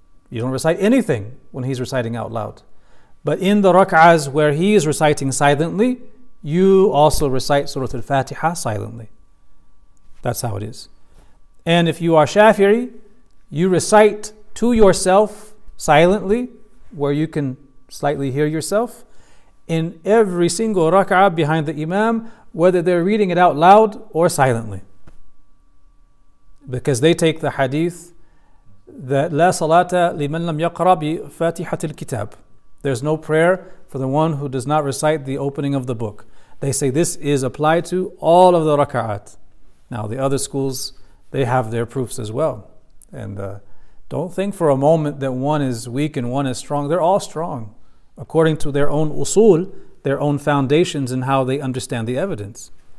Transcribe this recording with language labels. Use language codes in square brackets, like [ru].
[en] You don't recite anything when he's reciting out loud. But in the rak'ahs where he is reciting silently, you also recite Surah Al-Fatiha silently. That's how it is. And if you are Shafi'i, you recite to yourself silently, where you can slightly hear yourself, in every single rak'ah behind the imam, whether they're reading it out loud or silently. Because they take the hadith that [ar] لا صلاة لمن لم يقرأ بفاتحة الكتاب. [en] There's no prayer for the one who does not recite the opening of the book. They say this is applied to all of the raka'at. Now, the other schools, they have their proofs as well. And Don't think for a moment that one is weak and one is strong. They're all strong according to their own usul, their own foundations and how they understand the evidence.